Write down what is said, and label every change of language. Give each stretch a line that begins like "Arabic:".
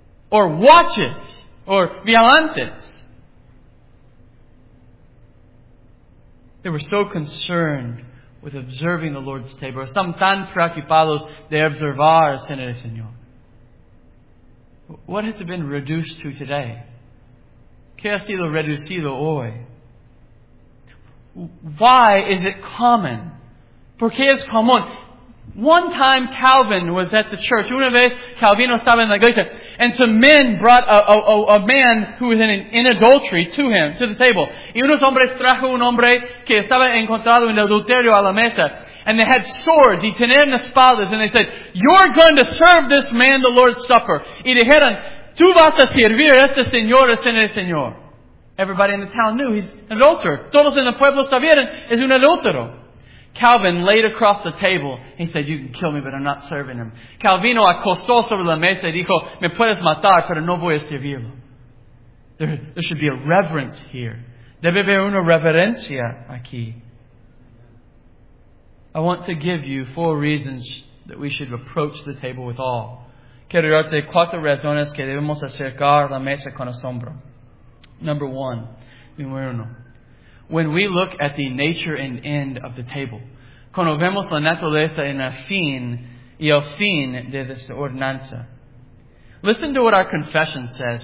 English: Or watches. Or vigilantes. They were so concerned with observing the Lord's table.
Spanish: Están tan preocupados de observar el Cena del Señor.
English: What has it been reduced to today?
Spanish: ¿Qué ha sido reducido hoy?
English: Why is it common?
Spanish: ¿Por qué es común?
English: One time Calvin was at the church.
Spanish: Una vez Calvino estaba en la iglesia.
English: And some men brought a man who was in adultery to him, to the table.
Spanish: Y unos hombres trajo un hombre que estaba encontrado en adulterio a la mesa.
English: And they had swords,
Spanish: y tenían espadas,
English: and they said, you're going to serve this man the Lord's Supper.
Spanish: Y dijeron, tú vas a servir este señor, este señor.
English: Everybody in the town knew he's an adulterer.
Spanish: Todos en el pueblo sabían, es un adultero.
English: Calvin laid across the table. He said, you can kill me, but I'm not serving him.
Spanish: Calvino acostó sobre la mesa y dijo, me puedes matar, pero no voy a servirlo.
English: There should be a reverence here.
Spanish: Debe haber una reverencia aquí.
English: I want to give you four reasons that we should approach the table with awe.
Spanish: Quiero darte cuatro razones que debemos acercar la mesa con asombro.
English: Number one,
Spanish: número uno.
English: When we look at the nature and end of the table,
Spanish: cuando vemos la naturaleza en el fin y el fin de esta ordenanza,
English: listen to what our confession says.